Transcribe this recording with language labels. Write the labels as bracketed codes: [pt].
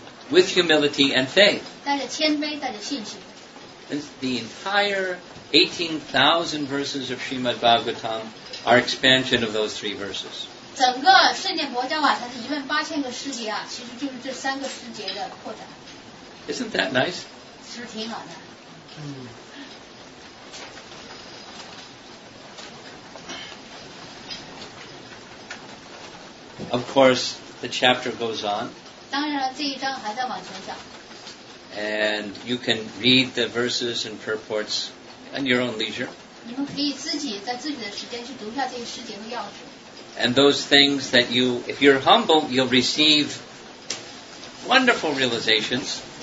[en] With humility and faith. And the entire 18,000 verses of Srimad Bhagavatam are expansion of those three verses. [zh] 整个圣典薄伽瓦它的一万八千个诗节啊，其实就是这三个诗节的扩展。 [en] Isn't that nice? [zh] 是挺好的。 [en] Of course, the chapter goes on. [zh] 当然了，这一章还在往前讲。 [en] And you can read the verses and purports at your own leisure. And those things that you, if you're humble, you'll receive wonderful realizations.